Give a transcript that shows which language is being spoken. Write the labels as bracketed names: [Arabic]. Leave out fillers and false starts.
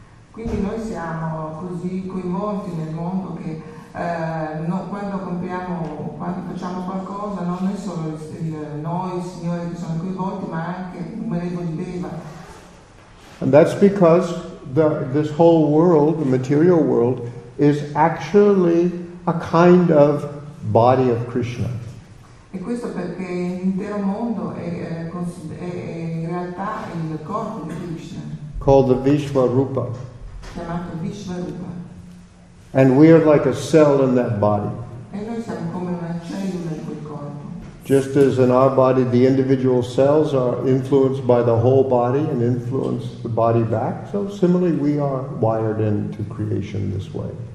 [Italian] Quindi noi siamo così coinvolti nel mondo che quando facciamo qualcosa non è solo noi, il Signore, che sono coinvolti, ma anche numerevoli deva. [English] And that's because this whole world, the material world, is actually a kind of body of Krishna. [Italian] E questo perché l'intero mondo è in realtà il corpo di Krishna. [English] Called the Vishva Rupa. [Italian] Chiamato Vishva Rupa. [English] And we are like a cell in that body. [Italian] E noi siamo come una cellula in quel corpo. [English] Just as in our body the individual cells are influenced by the whole body and influence the body back, so similarly we are wired into creation this way.